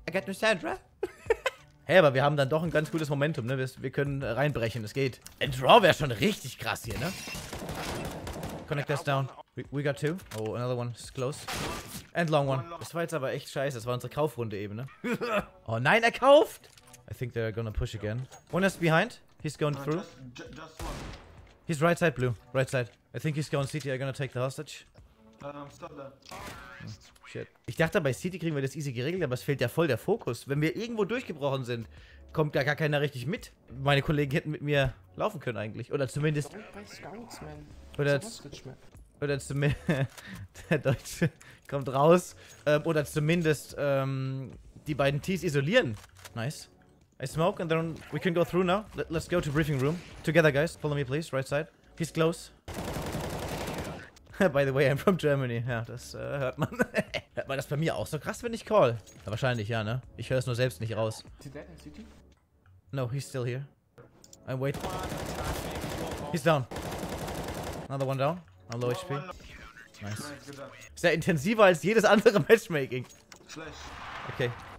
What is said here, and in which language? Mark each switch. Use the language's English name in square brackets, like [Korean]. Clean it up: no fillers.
[English] I get no sound, right? [German] Hey, aber wir haben dann doch ein ganz gutes Momentum, ne? Wir können reinbrechen, es geht. Ein Draw wäre schon richtig krass hier, ne? [English] Connect this down. We got two. Oh, another one. It's close. And long one. [German] Das war jetzt aber echt scheiße. Das war unsere Kaufrunde eben, ne? Oh nein, er kauft! [English] I think they're gonna push again. One is behind. He's going through. Just one. He's right side, blue. Right side. I think he's going CT. I'm gonna take the hostage. Shit. [German] Ich dachte, bei City kriegen wir das easy geregelt, aber es fehlt ja voll der Fokus. Wenn wir irgendwo durchgebrochen sind, kommt gar keiner richtig mit. Meine Kollegen hätten mit mir laufen können eigentlich. Oder zumindest... Oder zumindest... Der Deutsche kommt raus. Oder zumindest die beiden Tees isolieren. [English] Nice. I smoke and then we can go through now. Let's go to briefing room. Together, guys. Follow me, please. Right side. He's close. By the way, I'm from Germany. [German] Ja, das hört man. Hört man das bei mir auch so krass, wenn ich call? Ja, wahrscheinlich, ja, ne? Ich höre es nur selbst nicht raus. [English] No, he's still here. I'm waiting. He's down. Another one down. On low HP. Nice. [German] Sehr intensiver als jedes andere Matchmaking. Okay.